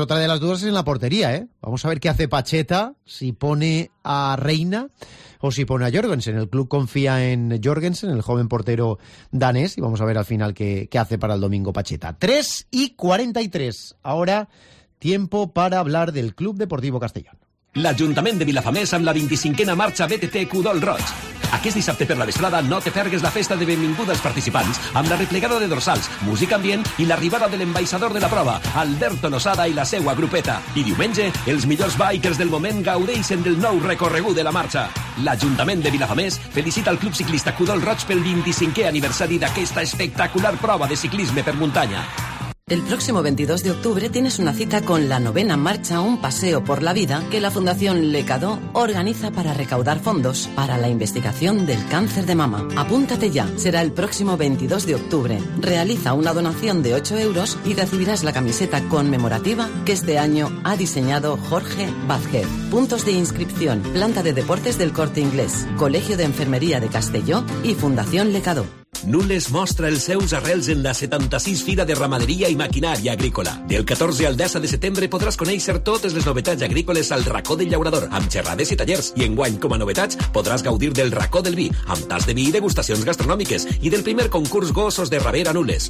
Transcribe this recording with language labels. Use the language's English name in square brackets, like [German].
[Spanish] Otra de las dudas es en la portería, Vamos a ver qué hace Pacheta, si pone a Reina o si pone a Jorgensen. El club confía en Jorgensen, el joven portero danés, y vamos a ver al final qué hace para el domingo Pacheta. 3 y 43. Ahora tiempo para hablar del Club Deportivo Castellón. [Catalan] L'Ajuntament de Vilafamés amb la 25a marxa BTT Cudol Roig. Aquest dissabte per la vesprada no te perguis la festa de benvinguda als participants amb la replegada de dorsals, música ambient i l'arribada de l'embaixador de la prova, Alberto Nosada i la seua grupeta. I diumenge, els millors bikers del moment gaudeixen del nou recorregut de la marxa. L'Ajuntament de Vilafamés felicita el Club Ciclista Cudol Roig pel 25è aniversari d'aquesta espectacular prova de ciclisme per muntanya. [Spanish] El próximo 22 de octubre tienes una cita con la novena marcha Un Paseo por la Vida que la Fundación Lecado organiza para recaudar fondos para la investigación del cáncer de mama. Apúntate ya, será el próximo 22 de octubre. Realiza una donación de 8 euros y recibirás la camiseta conmemorativa que este año ha diseñado Jorge Vázquez. Puntos de inscripción, Planta de Deportes del Corte Inglés, Colegio de Enfermería de Castelló y Fundación Lecado. [Catalan] Nules mostra els seus arrels en la 76 Fira de Ramaderia i Maquinària Agrícola. Del 14 al 10 de setembre podràs conèixer totes les novetats agrícoles al Racó del Llaurador, amb xerrades i tallers. I enguany, com a novetats, podràs gaudir del Racó del Vi, amb tas de vi i degustacions gastronòmiques, i del primer concurs Gossos de Rabera Nules.